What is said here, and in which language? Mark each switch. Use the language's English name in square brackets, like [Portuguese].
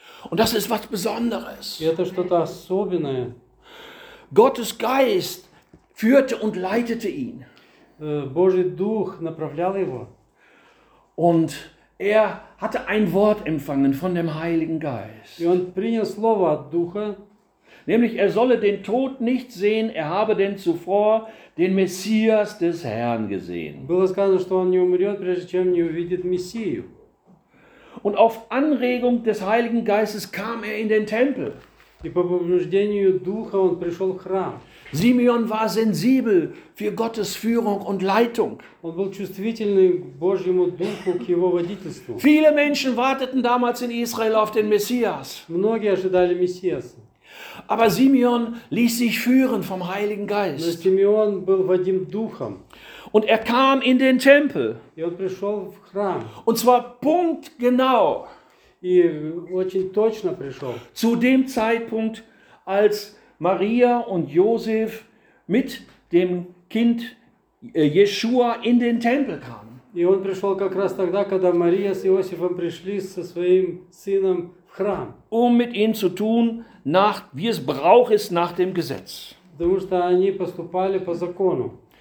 [German] Und das ist was Besonderes. [Russian] И это что-то особенное. [German] Gottes Geist führte und leitete ihn. [Russian] Божий Дух направлял его. [German] Und er hatte ein Wort empfangen von dem Heiligen Geist. [Russian] И он принял слово от Духа. [German] Nämlich, er solle den Tod nicht sehen, er habe denn zuvor den Messias des Herrn gesehen. [Russian] Было сказано, что он не умрет, прежде чем не увидит Мессию. [German] Und auf Anregung des Heiligen Geistes kam er in den Tempel. [Russian] И по побуждению Духа он пришел в храм. [German] Симеон war sensibel für Gottes Führung und Leitung. [Russian] Он был чувствительный к Божьему Духу, к его водительству. [German] Viele Menschen warteten damals in Israel auf den Messias. [Russian] Многие ожидали Мессиаса. [German] Aber Simeon ließ sich führen vom Heiligen Geist. [Russian] Но Симеон был водим духом. [German] Und er kam in den Tempel. [Russian] И он пришел в храм. [German] Und zwar punktgenau. [Russian] И очень точно пришел. [German] Zu dem Zeitpunkt, als Maria und Josef mit dem Kind Jeschua in den Tempel kamen. [Russian] И он пришел как раз тогда, когда Мария с Иосифом пришли со своим сыном в храм. [German] Um mit ihm zu tun, nach, wie es Brauch ist, nach dem Gesetz. [Russian] Потому что они поступали по закону.